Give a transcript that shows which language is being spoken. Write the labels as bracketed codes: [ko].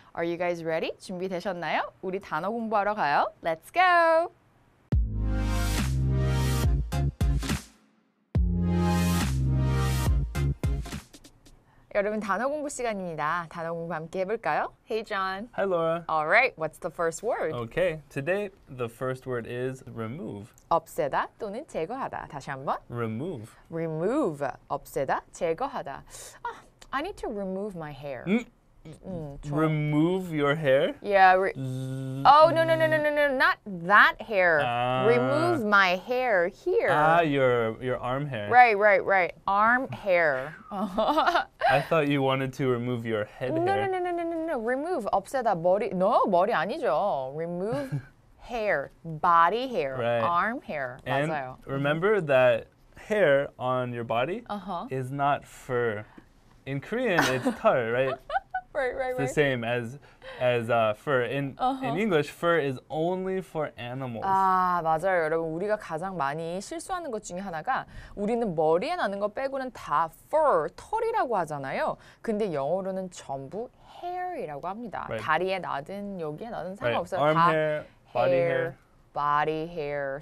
[en] Are you guys ready? [ko] 준비되셨나요? 우리 단어 공부하러 가요. [en] Let's go! [ko] (목소리) 여러분, 단어 공부 시간입니다. 단어 공부 함께 해볼까요? [en] Hey, John. Hi, Laura. All right, what's the first word? Okay, today the first word is remove. [ko] 없애다 또는 제거하다. 다시 한번. [en] Remove. Remove. [ko] 없애다, 제거하다. [en] I need to remove my hair. Remove your hair? Yeah. No. Not that hair. Remove my hair here. Your arm hair. Right. Arm hair. I thought you wanted to remove your head hair. No. Remove. [ko] 없애다, 머리. [en] No, [ko] 머리 아니죠. [en] Remove. Hair, body hair, right. Arm hair. And [ko] 맞아요. [en] Remember that hair on your body is not fur. In Korean, it's 털, right? Right. The same as fur. In English, fur is only for animals. [ko] 아, 맞아요. 여러분, 우리가 가장 많이 실수하는 것 중에 하나가 우리는 머리에 나는 것 빼고는 다 fur, 털이라고 하잖아요. 근데 영어로는 전부 hair이라고 합니다. [en] Right. [ko] 다리에 나든 여기에 나든 상관없어요. [en] Right. Arm 다 hair. Body hair.